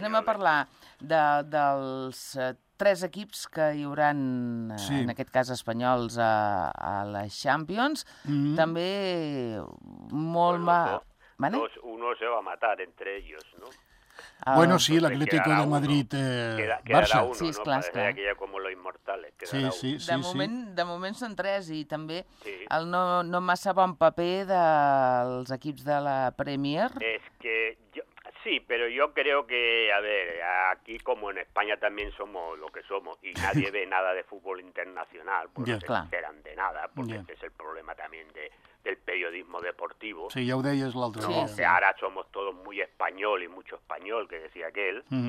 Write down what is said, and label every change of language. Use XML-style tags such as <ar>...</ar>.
<ca>Anem a parlar dels 3 equips que hi hauran, en aquest cas, espanyols a la Champions. També molt mal...</ca> <es>Uno se va a matar entre ellos, ¿no? Bueno, sí, el Atlético de Madrid, Barça.</es> <ca>Sí, es clar, es clar.</ca> <es>Aquella como los inmortales. Sí, sí, sí.</es> <ca>De moment són 3 i també el no massa bon paper dels equips de la Premier.</ca> <es>Es que yo, sí, pero yo creo que, a ver, aquí como en España también somos lo que somos y nadie ve nada de fútbol internacional, pues no se enteran de nada, porque este es el problema también de... el periodismo deportivo. Sí, ya lo decías el otro día. Sí. Ahora somos todos muy español y mucho español, que decía aquel.</es>